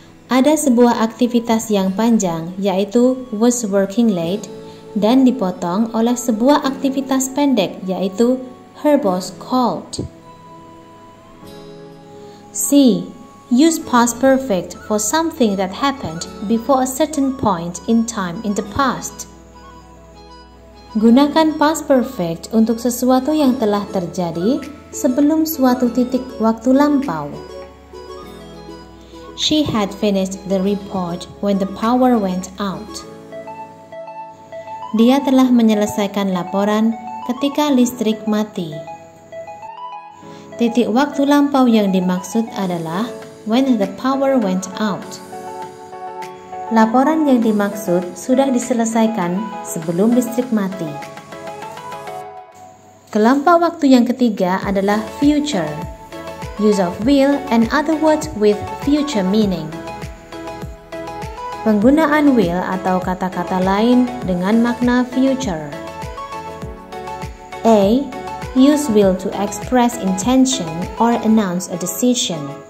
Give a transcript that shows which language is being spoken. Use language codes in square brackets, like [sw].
[id] Ada sebuah aktivitas yang panjang, yaitu was working late, dan dipotong oleh sebuah aktivitas pendek, yaitu her boss called. C. [en] Use past perfect for something that happened before a certain point in time in the past. [id] Gunakan past perfect untuk sesuatu yang telah terjadi sebelum suatu titik waktu lampau. [en] She had finished the report when the power went out. [id] Dia telah menyelesaikan laporan ketika listrik mati. Titik waktu lampau yang dimaksud adalah when the power went out. Laporan yang dimaksud sudah diselesaikan sebelum listrik mati. Kelompok waktu yang ketiga adalah future. [en] Use of will and other words with future meaning. [id] Penggunaan will atau kata-kata lain dengan makna future. [en] A. Use will to express intention or announce a decision.